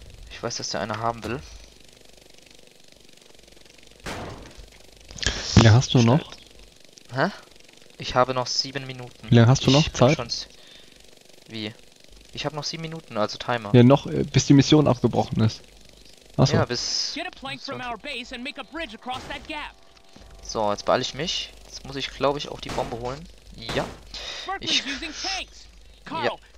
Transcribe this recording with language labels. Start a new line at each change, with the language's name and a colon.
German: Ich weiß, dass der eine haben will. Wie lange hast du noch? Hä? Ich habe noch 7 Minuten. Wie lange hast du noch Zeit? Wie? Ich habe noch 7 Minuten, also Timer. Ja, noch bis die Mission abgebrochen ist. Achso. Ja, bis.
English: Get a plank from our base and make a bridge across that gap.
German: So, jetzt beeile ich mich. Jetzt muss ich, glaube ich, auch die Bombe holen. Ja. Ich. Ja.